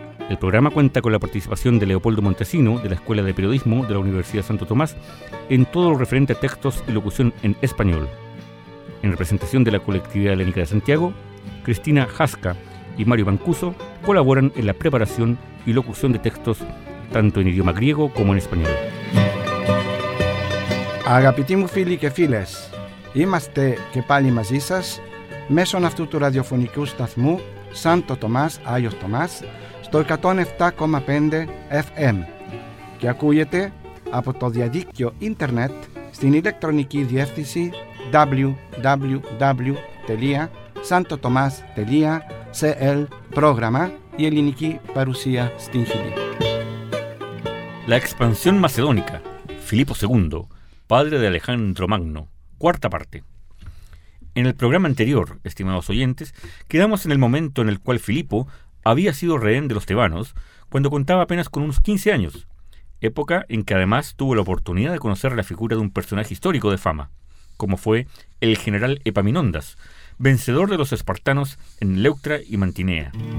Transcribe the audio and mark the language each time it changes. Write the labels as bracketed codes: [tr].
[es] El programa cuenta con la participación de Leopoldo Montesino, de la Escuela de Periodismo de la Universidad Santo Tomás, en todo lo referente a textos y locución en español. En representación de la Colectividad Helénica de Santiago, Cristina Jasca y Mario Mancuso colaboran en la preparación y locución de textos, tanto en idioma griego como en español. [el] Αγαπητοί φίλοι και φίλες, είμαστε και πάλι μαζί σας μέσω αυτού του ραδιοφωνικού σταθμού Σάντο Τομάς, Άγιος Τομάς, στο 107,5 FM και ακούγεται από το διαδίκτυο ίντερνετ στην ηλεκτρονική διεύθυνση www.santotomas.cl πρόγραμμα η ελληνική παρουσία στην Χιλή. [es] La expansión macedónica, Filipo II, padre de Alejandro Magno, cuarta parte. En el programa anterior, estimados oyentes, quedamos en el momento en el cual Filipo había sido rehén de los tebanos cuando contaba apenas con unos 15 años, época en que además tuvo la oportunidad de conocer la figura de un personaje histórico de fama, como fue el general Epaminondas, vencedor de los espartanos en Leuctra y Mantinea.